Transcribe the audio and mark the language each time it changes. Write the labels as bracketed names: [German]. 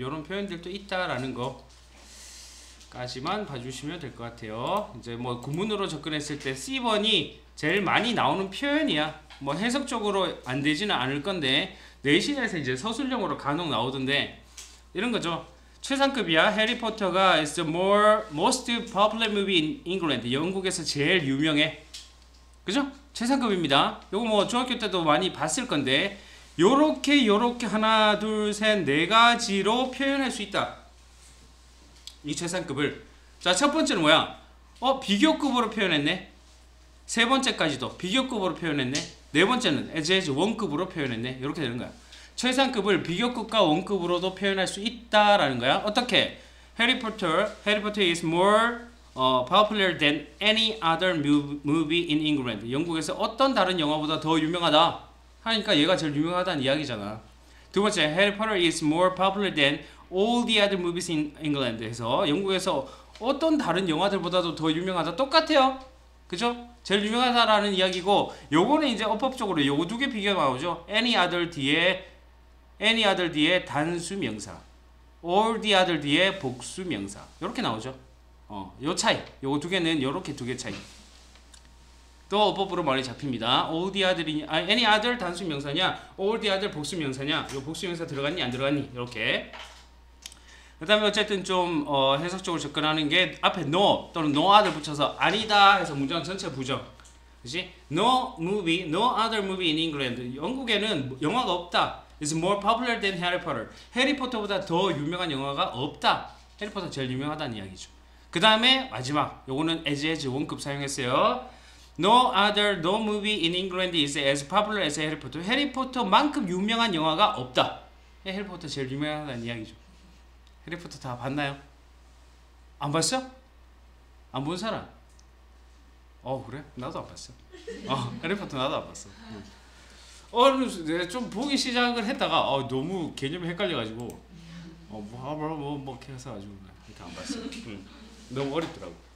[Korean] 이런 표현들도 있다라는 거. 까지만 봐주시면 될 것 같아요. 이제 뭐 구문으로 접근했을 때 C번이 제일 많이 나오는 표현이야. 뭐 해석적으로 안 되지는 않을 건데, 내신에서 이제 서술형으로 간혹 나오던데 이런 거죠. 최상급이야. [English] 해리포터가 is the more most popular movie in England. [Korean] 영국에서 제일 유명해. 그죠? 최상급입니다. 요거 뭐 중학교 때도 많이 봤을 건데 요렇게 요렇게 하나 둘 셋 네 가지로 표현할 수 있다. 이 최상급을. 자, 첫 번째는 뭐야? 어, 비교급으로 표현했네. 세 번째까지도 비교급으로 표현했네. 네 번째는 as 원급으로 표현했네. 이렇게 되는 거야. 최상급을 비교급과 원급으로도 표현할 수 있다라는 거야. 어떻게? [English] Harry Potter is more popular than any other movie in England. [Korean] 영국에서 어떤 다른 영화보다 더 유명하다. 하니까 얘가 제일 유명하다는 이야기잖아. 두 번째, [English] Harry Potter is more popular than all the other movies in England. [Korean] 해서 영국에서 어떤 다른 영화들보다도 더 유명하다. 똑같아요. 그죠? 제일 유명하다라는 이야기고, 요거는 이제 어법적으로 요 두 개 비교가 나오죠. Any other 뒤에 단수 명사. All the other 뒤에 복수 명사. 요렇게 나오죠. 어, 요 차이. 요 두 개는 요렇게 두 개 차이. 또 어법으로 많이 잡힙니다. All the other이냐, any other 단수 명사냐, all the other 복수 명사냐, 요 복수 명사 들어갔니, 안 들어갔니. 요렇게. 그 다음에 어쨌든 좀 해석적으로 접근하는 게 앞에 no 또는 no other 붙여서 아니다 해서 문장 전체 부정. 그치? [English] No other movie in England. [Korean] 영국에는 영화가 없다. [English] It's more popular than Harry Potter. [Korean] 해리포터보다 더 유명한 영화가 없다. 해리포터 제일 유명하다는 이야기죠. 그 다음에 마지막 요거는 as 원급 사용했어요. [English] No movie in England is as popular as Harry Potter. [Korean] 해리포터만큼 유명한 영화가 없다. 해리포터 제일 유명하다는 이야기죠. 해리포터 다 봤나요? 안 봤어? 안 본 사람? 어 그래? 나도 안 봤어. 어 해리포터 나도 안 봤어. 어 좀 보기 시작을 했다가 너무 개념이 헷갈려가지고 뭐 해서 아주 이렇게 안 봤어. 너무 어렵더라고.